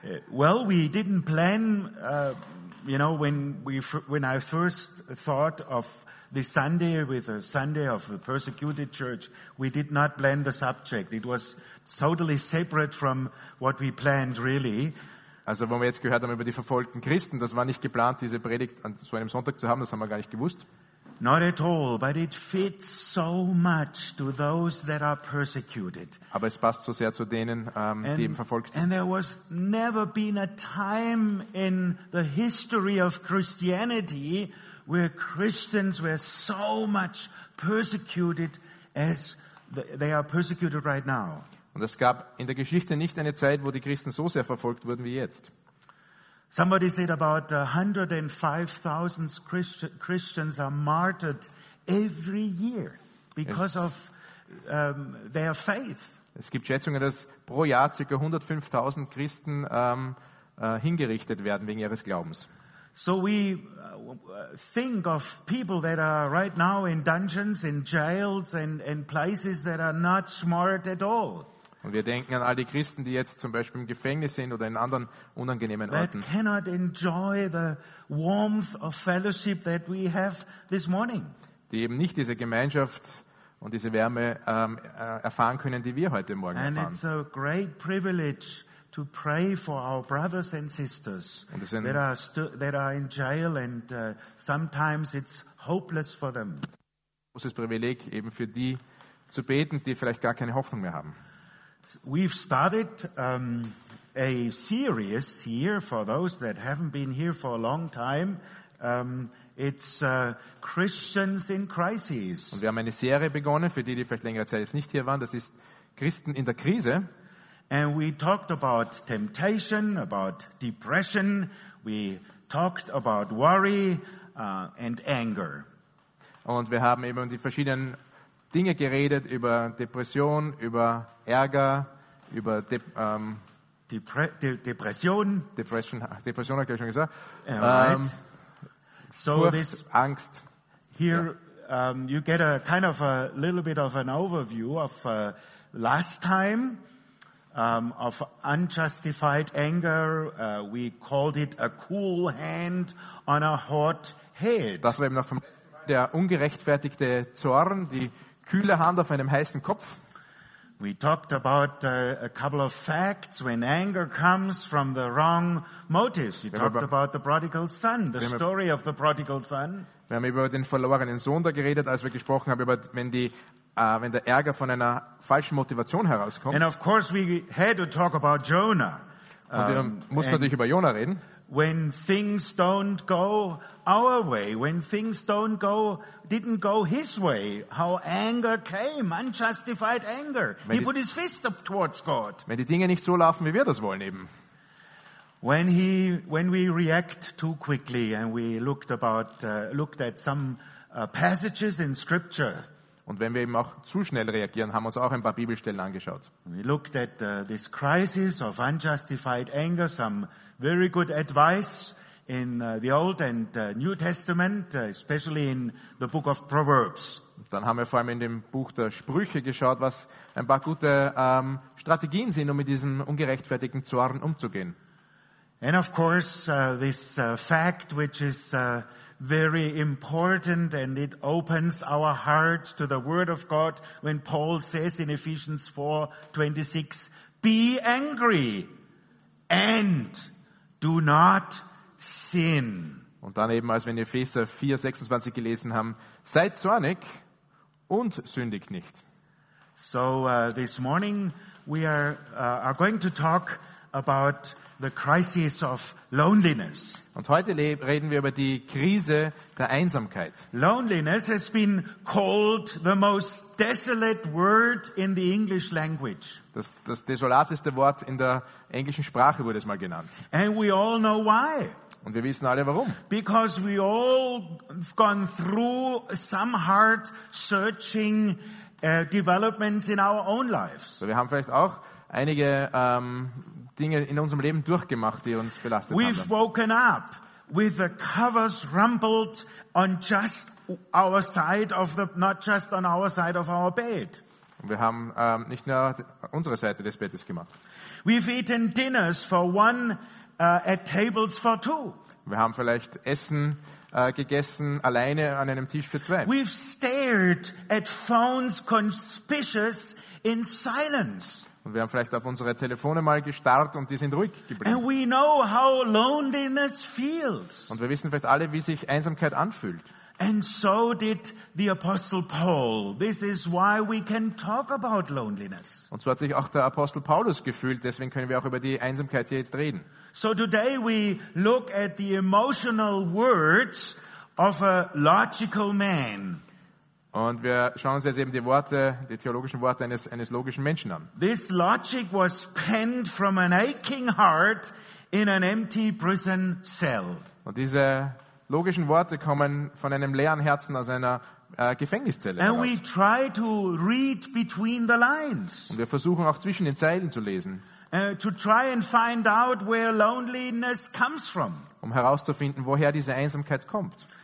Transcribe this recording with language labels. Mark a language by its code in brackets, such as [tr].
[en] Well, we didn't plan, you know, when I first thought of this Sunday with the Sunday of the persecuted church, we did not plan the subject. It was totally separate from what we planned, really. [de] Also, wenn wir jetzt gehört haben über die verfolgten Christen, das war nicht geplant, diese Predigt an so einem Sonntag zu haben, das haben wir gar nicht gewusst. [en] Not at all, but it fits so much to those that are persecuted. [de] Aber es passt so sehr zu denen, die eben verfolgt sind. [en] And there was never been a time in the history of Christianity where Christians were so much persecuted as they are persecuted right now. [de] Und es gab in der Geschichte nicht eine Zeit, wo die Christen so sehr verfolgt wurden wie jetzt. [en] Somebody said about 105,000 Christians are martyred every year because of their faith. [de] Es gibt Schätzungen, dass pro Jahr ca. 105,000 Christen hingerichtet werden wegen ihres Glaubens. [en] So we think of people that are right now in dungeons, in jails and places that are not smart at all. [de] Und wir denken an all die Christen, die jetzt zum Beispiel im Gefängnis sind oder in anderen unangenehmen Orten. [en] That cannot enjoy the warmth of fellowship that we have this morning. [de] Die eben nicht diese Gemeinschaft und diese Wärme erfahren können, die wir heute Morgen erfahren. [en] And it's a great privilege to pray for our brothers and sisters that are in jail, and sometimes it's hopeless for them. [de] Großes Privileg, eben für die zu beten, die vielleicht gar keine Hoffnung mehr haben. [en] We've started a series here for those that haven't been here for a long time. It's Christians in Crisis. [de] Und wir haben eine Serie begonnen für die vielleicht längere Zeit jetzt nicht hier waren. Das ist Christen in der Krise. [en] And we talked about temptation, about depression. We talked about worry and anger. [de] Und wir haben eben die verschiedenen Dinge geredet, über Depression, über Ärger, über Depression habe ich schon gesagt. [en] Right. So Furcht, this Angst. Here you get a kind of a little bit of an overview of last time of unjustified anger. We called it a cool hand on a hot head. [de] Das war eben noch vom letzten Mal der ungerechtfertigte Zorn, die kühle Hand auf einem heißen Kopf. [en] We talked about a couple of facts when anger comes from the wrong motives. We talked about the prodigal son, the story of the prodigal son. [de] Wir haben über den verlorenen Sohn da geredet, als wir gesprochen haben, über wenn der Ärger von einer falschen Motivation herauskommt. [en] And of course we had to talk about Jonah. [de] Und wir mussten natürlich über Jonah reden. [en] When things don't go our way, when things didn't go his way, how anger came, unjustified anger. He put his fist up towards God. [de] Wenn die Dinge nicht so laufen, wie wir das wollen eben. [en] When we react too quickly, and we looked at some passages in scripture. [de] Und wenn wir eben auch zu schnell reagieren, haben wir uns auch ein paar Bibelstellen angeschaut. [en] We looked at this crisis of unjustified anger, some very good advice in the Old and New Testament, especially in the book of Proverbs. [de] Dann haben wir vor allem in dem Buch der Sprüche geschaut, was ein paar gute Strategien sind, um mit diesem ungerechtfertigten Zorn umzugehen. [en] And of course, this fact, which is very important, and it opens our heart to the Word of God when Paul says in Ephesians 4:26, "Be angry and do not sin." [de] Und dann eben, als wir in Epheser 4:26 gelesen haben, seid zornig und sündigt nicht. [en] So this morning we are going to talk about the crisis of loneliness. [de] Und heute reden wir über die Krise der Einsamkeit. [en] Loneliness has been called the most desolate word in the English language. [de] Das desolateste Wort in der englischen Sprache wurde es mal genannt. [en] And we all know why. [de] Und wir wissen alle warum. [en] Because we all gone through some hard searching developments in our own lives. [de] Wir haben vielleicht auch einige Dinge in unserem Leben durchgemacht, die uns belastet [en] We've [de] haben. [en] We've woken up with the covers rumpled on just our side of the, not just on our side of our bed. [de] Und wir haben nicht nur unsere Seite des Bettes gemacht. [en] We've eaten dinners for one at tables for two. [de] Wir haben vielleicht Essen gegessen alleine an einem Tisch für zwei. [en] We've stared at phones conspicuous in silence. [de] Und wir haben vielleicht auf unsere Telefone mal gestarrt und die sind ruhig geblieben. [en] And we know how loneliness feels. [de] Und wir wissen vielleicht alle, wie sich Einsamkeit anfühlt. [en] And so did the Apostle Paul. This is why we can talk about loneliness. [de] Und so hat sich auch der Apostel Paulus gefühlt, deswegen können wir auch über die Einsamkeit hier jetzt reden. [en] So today we look at the emotional words of a logical man. [de] Und wir schauen uns jetzt eben die Worte, die theologischen Worte eines logischen Menschen an. [en] This logic was penned from an aching heart in an empty prison cell. [de] Und diese logischen Worte kommen von einem leeren Herzen aus einer Gefängniszelle [en] And [de] heraus. [en] We try to read between the lines. [de] Und wir versuchen auch zwischen den Zeilen zu lesen. [en] To try and find out where loneliness comes from. [de] Um herauszufinden, woher diese Einsamkeit kommt.